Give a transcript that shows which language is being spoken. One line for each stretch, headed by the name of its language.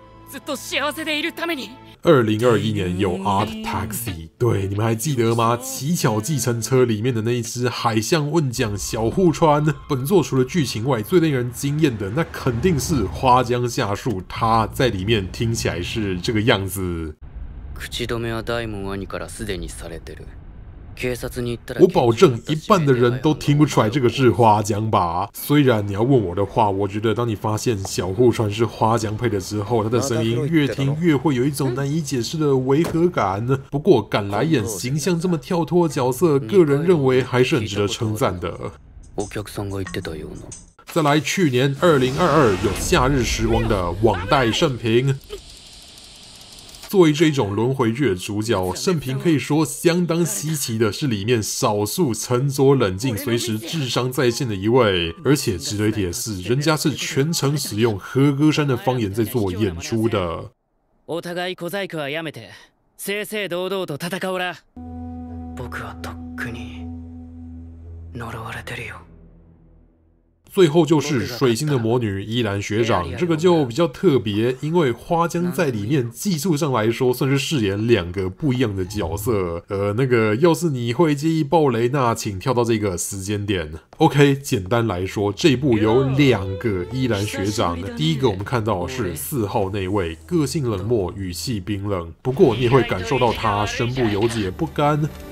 Chinese: 2021年有 Art Taxi， 对，你们还记得吗？乞巧计程车里面的那一只海象问将小户川。本作除了剧情外最令人惊艳的，那肯定是花江夏树他在里面听起来是这个样子。
Japanese: 口止めは大門兄からすでにされてる。
Chinese: 我保证一半的人都听不出来这个是花江吧。虽然你要问我的话，我觉得当你发现小户川是花江配的之后，他的声音越听越会有一种难以解释的违和感。不过敢来演形象这么跳脱的角色，个人认为还是很值得称赞的。
Japanese: お客さんが言ってたような。
Chinese: 再来，去年2022有夏日时光的网贷盛平。作为这种轮回剧的主角，盛平可以说相当稀奇的是里面少数沉着冷静、随时智商在线的一位。而且值得一提的是，人家是全程使用和歌山的方言在做演出的。
Japanese: お互い小細工はやめて、正々堂々と戦おうら。僕はとっくに呪われてるよ。
Chinese: 最后就是水星的魔女依兰学长，这个就比较特别，因为花江在里面技术上来说算是饰演两个不一样的角色。那个要是你会介意爆雷，那请跳到这个时间点。 OK， 简单来说，这部有两个依兰学长，第一个我们看到的是四号那位，个性冷漠，语气冰冷，不过你也会感受到他身不由己不甘。